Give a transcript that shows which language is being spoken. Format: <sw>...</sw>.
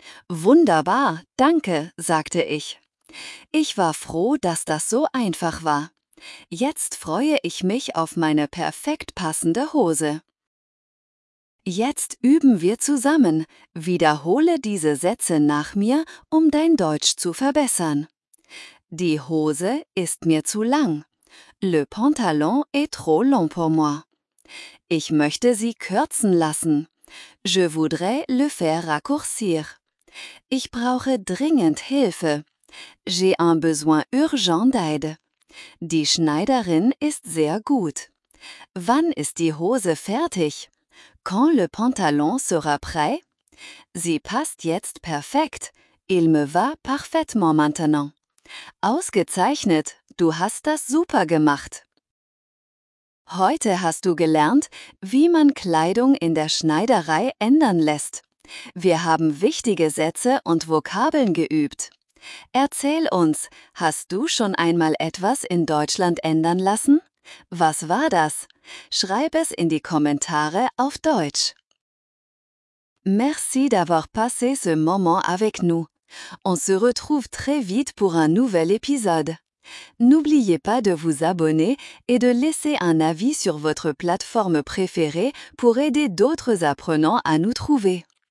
<de>Wunderbar, danke, sagte ich. Ich war froh, dass das so einfach war. Jetzt freue ich mich auf meine perfekt passende Hose. Jetzt üben wir zusammen. Wiederhole diese Sätze nach mir, um dein Deutsch zu verbessern. Die Hose ist mir zu lang.</de> <fr>Le pantalon est trop long pour moi.</fr> <de>Ich möchte sie kürzen lassen.</de> <fr>Je voudrais le faire raccourcir.</fr> <de>Ich brauche dringend Hilfe.</de> <fr>J'ai un besoin urgent d'aide.</fr> <de>Die Schneiderin ist sehr gut. Wann ist die Hose fertig?</de> <fr>Quand le pantalon sera prêt?</fr> <de>Sie passt jetzt perfekt.</de> <fr>Il me va parfaitement maintenant.</fr> <de>Ausgezeichnet, du hast das super gemacht. Heute hast du gelernt, wie man Kleidung in der Schneiderei ändern lässt. Wir haben wichtige Sätze und Vokabeln geübt. Erzähl uns, hast du schon einmal etwas in Deutschland ändern lassen? Was war das? Schreib es in die Kommentare auf Deutsch.</de> <fr>Merci d'avoir passé ce moment avec nous. On se retrouve très vite pour un nouvel épisode. N'oubliez pas de vous abonner et de laisser un avis sur votre plateforme préférée pour aider d'autres apprenants à nous trouver.</fr>